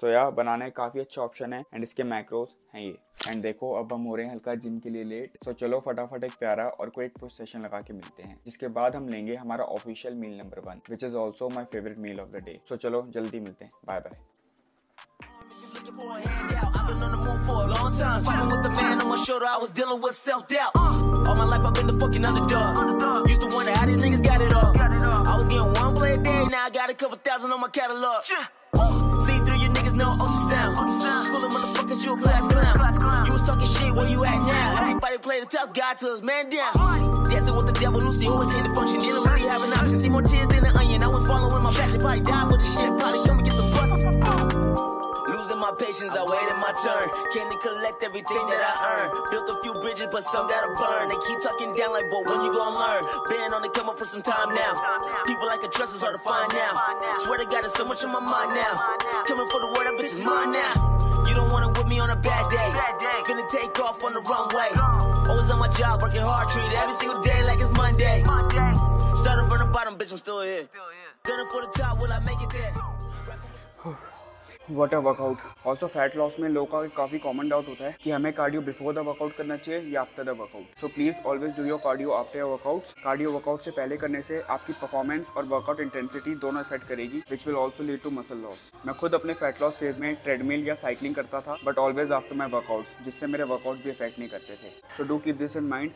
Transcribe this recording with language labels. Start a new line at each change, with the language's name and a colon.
Hindi: सो यार, बनाना एक काफी अच्छा ऑप्शन है एंड इसके मैक्रोस हैं ये। एंड देखो, अब हम हो रहे हैं हल्का जिम के लिए लेट। सो चलो फटाफट एक प्यारा और क्विक पुश सेशन लगा के मिलते हैं, जिसके बाद हम लेंगे हमारा official meal number 1,
English: Which is also my favourite meal of the day.
Hindi: सो चलो जल्दी मिलते हैं, bye bye.
English: Been on the move for a long time, fighting with the man on my shoulder. I was dealing with self-doubt. All my life I've been the fucking underdog. Used to wonder how these niggas got it all. I was getting one play a day, now I got a couple thousand on my catalog. See through your niggas, no ultrasound. Schooling motherfuckers, you a class clown. You was talking shit, where you at now? Everybody play the tough guy till his man down. Dancing with the devil, Lucy, who was in the function? Didn't really have an option. See more tears than an onion. I was following my passion, probably die for the shit. Probably come and get the bust. My patience, I waited my turn. Can't collect everything that I earn. Built a few bridges, but some gotta burn. They keep talking down like, but when you gonna learn? Been on the come up for some time now. People I can trust is hard to find now. Swear to God, there's so much on my mind now. Coming for the word, that bitch is mine now. You don't want it with me on a bad day. Gonna take off on the runway. Always on my job, working hard, treated every single day like it's Monday. Started from the bottom, bitch, I'm still here. Gunning for the top, will I make it there? What a workout.
Hindi: Also fat loss में लोगों का काफी common doubt होता है कि हमें cardio before the workout करना चाहिए या after the workout.
English: So please always do your cardio after your workout.
Hindi: Cardio workout से पहले करने से आपकी परफॉर्मेंस और वर्कआउट इंटेंसिटी दोनों इफेक्ट करेगी,
English: Which will also lead to muscle loss.
Hindi: मैं खुद अपने फैट लॉस फेज में ट्रेडमिल या साइकिलिंग करता था, but always after my workout, जिससे मेरे वर्कआउट भी इफेक्ट नहीं करते थे।
English: So do keep this in mind.